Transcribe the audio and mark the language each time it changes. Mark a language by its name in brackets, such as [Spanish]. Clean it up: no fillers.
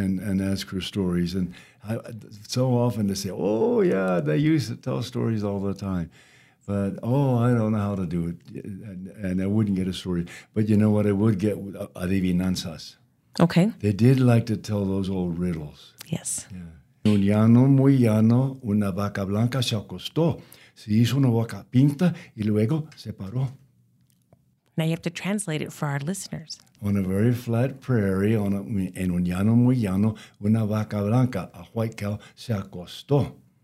[English] and ask for stories. And I, so often they say, oh, yeah, they used to tell stories all the time. But, oh, I don't know how to do it. And I wouldn't get a story. But you know what I would get? Adivinanzas. Okay. They did like to tell those old riddles. Yes. Yeah. [Spanish] Un llano muy llano, una vaca blanca se acostó. Se hizo una vaca pinta y luego se paró. [English] Now you have to translate it for our listeners. On a very flat prairie, [Spanish] en un llano muy llano, una vaca blanca, [English] a white cow, [Spanish] se acostó.